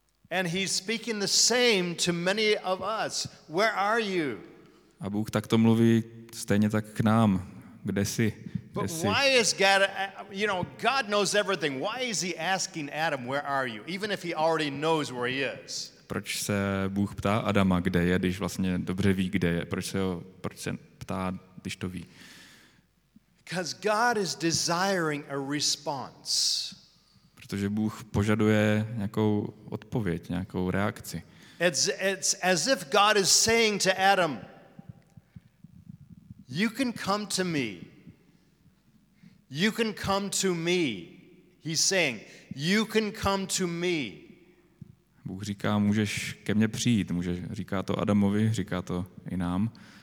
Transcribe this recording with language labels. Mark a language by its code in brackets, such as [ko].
[en] And he's speaking the same to many of us. Where are you? [cs] A Bůh takto mluví stejně tak k nám. Kde jsi? [en] But why is God, you know, God knows everything. Why is he asking Adam, where are you? Even if he already knows where he is. [cs] Proč se Bůh ptá Adama, kde je, když vlastně dobře ví, kde je? Proč se ptá, když to ví? [en] Because God is desiring a response. [cs] Protože Bůh požaduje nějakou odpověď, nějakou reakci. [en] It's as if God is saying to Adam, you can come to me. You can come to me. He's saying, you can come to me. [cs] Bůh říká, můžeš ke mně přijít. Můžeš, říká to Adamovi, říká to i nám.